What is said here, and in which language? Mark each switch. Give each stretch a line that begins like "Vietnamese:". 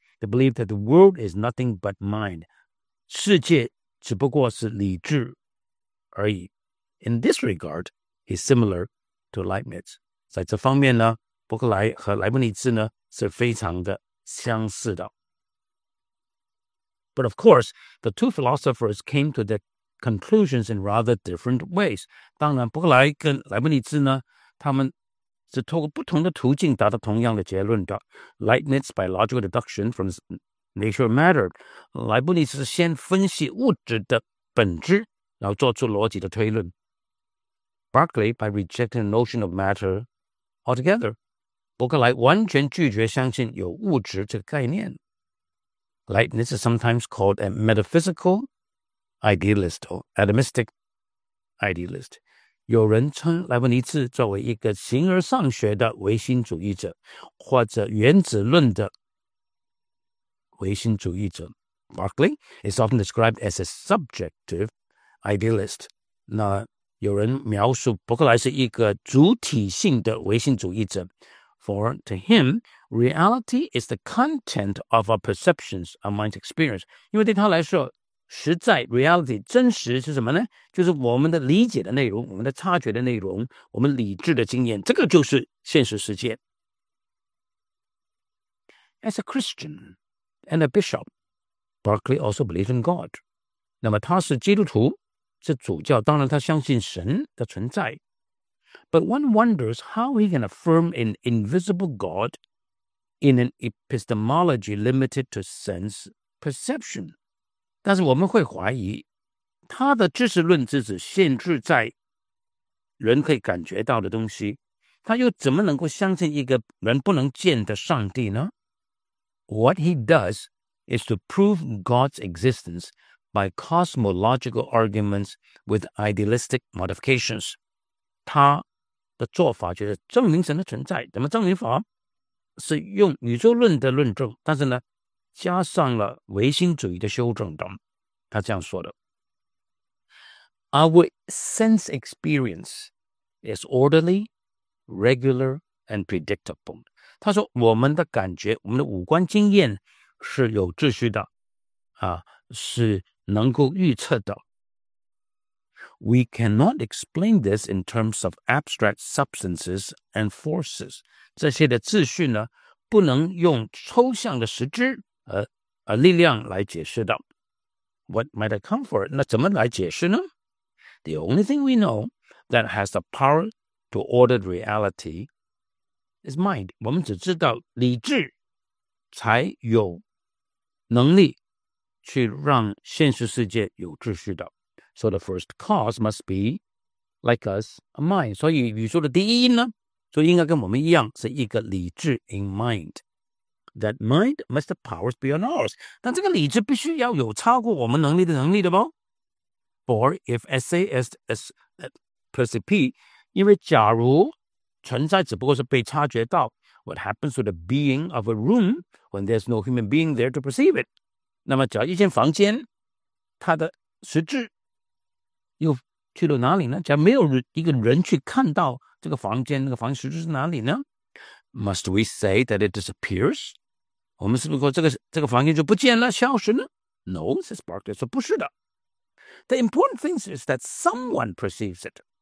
English: ，the belief that the world is nothing but mind.
Chinese: 世界只不过是理智而已。
English: In this regard, he's similar to Leibniz.
Chinese: 在这方面呢，伯克莱和莱布尼兹呢是非常的相似的。
English: But of course, the two philosophers came to their conclusions in rather different ways.
Chinese: 当然，伯克莱跟莱布尼兹呢，他们是透过不同的途径达到同样的结论的。
English: Leibniz by logical deduction from nature of matter.
Chinese: 莱布尼兹先分析物质的本质，然后做出逻辑的推论。
English: Berkeley by rejecting the notion of matter altogether.
Chinese: 伯克莱完全拒绝相信有物质这个概念。
English: Leibniz is sometimes called a metaphysical idealist or atomistic idealist.
Chinese: 有人称莱布尼茨作为一个形而上学的唯心主义者，或者原子论的唯心主义者。
English: Berkeley is often described as a subjective idealist.
Chinese: 那有人描述伯克莱是一个主体性的唯心主义者。
English: For to him, reality is the content of our perceptions, our mind's experience.
Chinese: 因为对他来说，实在 reality 真实是什么呢？就是我们的理解的内容，我们的察觉的内容，我们理智的经验，这个就是现实世界。
English: As a Christian and a bishop, Berkeley also believes in God.
Chinese: 那么他是基督徒，是主教，当然他相信神的存在。
English: But one wonders how he can affirm an invisible God in an epistemology limited to sense perception.
Chinese: 但是我们会怀疑，他的知识论知识限制在人可以感觉到的东西，他又怎么能够相信一个人不能见的上帝呢？
English: What he does is to prove God's existence by cosmological arguments with idealistic modifications.
Chinese: 他的做法就是证明神的存在。怎么证明法？是用宇宙论的论证，但是呢，加上了唯心主义的修正等。他这样说的。
English: Our sense experience is orderly, regular, and predictable.
Chinese: 他说我们的感觉，我们的五官经验是有秩序的啊，是能够预测的。
English: We cannot explain this in terms of abstract substances and forces.
Chinese: 这些的秩序呢，不能用抽象的实质力量来解释的。
English: What might I come for?
Chinese: 那怎么来解释呢？
English: The only thing we know that has the power to order realityis mind.
Chinese: 我们只知道理智才有能力去让现实世界有秩序的。
English: So the first cause must be like us, a mind.
Chinese: 所以宇宙的第一因呢，就应该跟我们一样是一个理智
English: in mind. That mind must have powers beyond ours.
Chinese: 但这个理智必须要有超过我们能力的能力的不？
English: For if SAS is perceived,
Chinese: 因为假如存在只不过是被察觉到
English: What happens to the being of a room when there's no human being there to perceive it?
Chinese: 那么只要一间房间它的实质又去到哪里呢？只要没有一个人去看到这个房间，那个房间实质是哪里呢？
English: Must we say that it disappears?
Chinese: 我们是不是说这个房间就不见了，消失呢？
English: No, says Berkeley,
Chinese: 说不是的。
English: The important thing is that someone perceives it.